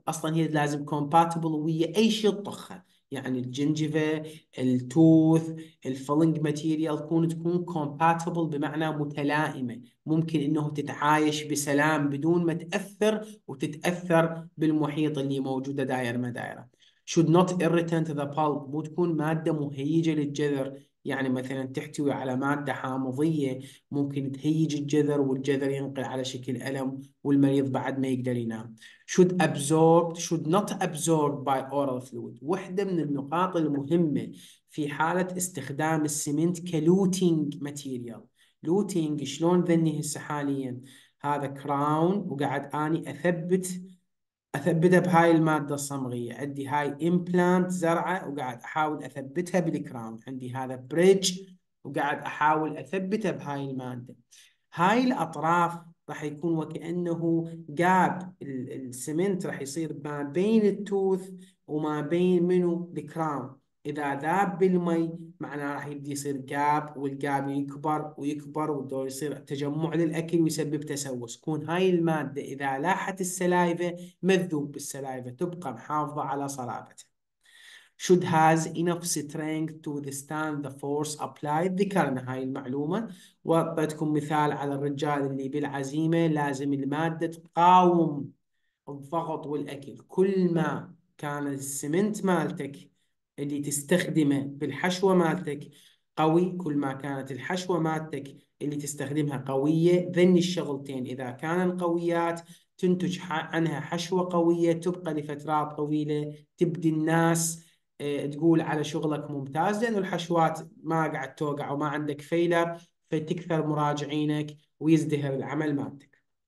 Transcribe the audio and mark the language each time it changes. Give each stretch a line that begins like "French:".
Arabic: اصلا هي لازم compatible ويا اي شيء تطخه، يعني الجنجفه، التوث، الفيلنج ماتيريال تكون compatible بمعنى متلائمه، ممكن انه تتعايش بسلام بدون ما تاثر وتتاثر بالمحيط اللي موجوده داير ما دايره.
English: should not irritate the pulp،
Arabic: مو تكون ماده مهيجه للجذر يعني مثلا تحتوي على مادة حامضية ممكن تهيج الجذر، والجذر ينقل على شكل ألم والمريض بعد ما يقدر ينام.
English: should not absorbed by oral fluid.
Arabic: واحدة من النقاط المهمة في حالة استخدام السمنت كلوتينج ماتيريال. لوتينج شلون ذني هسه حاليا هذا كراون، وقاعد اني اثبتها بهاي المادة الصمغية، عندي هاي امبلانت زرعة وقاعد احاول اثبتها بالكراون، عندي هذا بريدج وقاعد احاول اثبتها بهاي المادة. هاي الاطراف راح يكون وكأنه جاب، السمنت راح يصير ما بين التوث وما بين منو الكراون، اذا ذاب بالمي معناه راح يبدي يصير جاب، والجاب يكبر ويكبر ودور يصير تجمع للاكل ويسبب تسوس. كون هاي الماده اذا لاحت السلايفه مذوب بالسلايفه تبقى محافظه على صلابتها.
English: should has enough strength to withstand the force applied.
Arabic: ذكرنا هاي المعلومه واعطيتكم مثال على الرجال اللي بالعزيمه، لازم الماده تقاوم الضغط والاكل. كل ما كان السمنت مالتك اللي تستخدمه بالحشوة مالتك قوي، كل ما كانت الحشوة مالتك اللي تستخدمها قوية، ذني الشغلتين إذا كانن قويات تنتج عنها حشوة قوية تبقى لفترات طويلة، تبدي الناس تقول على شغلك ممتاز لأن الحشوات ما قاعد توقع وما عندك فيلر، فتكثر مراجعينك ويزدهر العمل مالتك.